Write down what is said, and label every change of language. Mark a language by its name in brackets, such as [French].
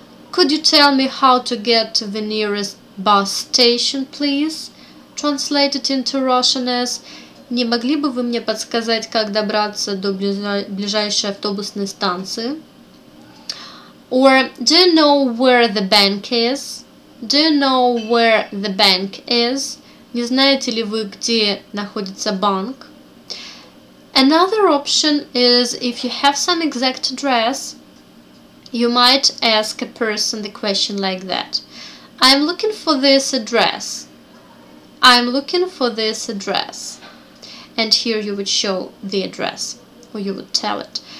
[English] Could you tell me how to get to the nearest bus station, please? Translated into Russian as: [Russian] не могли бы вы мне подсказать, как добраться до ближайшей автобусной станции? [English] Or: do you know where the bank is? Do you know where the bank is? [Russian] Не знаете ли вы, где находится банк? [English] Another option is: if you have some exact address, you might ask a person the question like that: I'm looking for this address. I'm looking for this address. And here you would show the address, or you would tell it.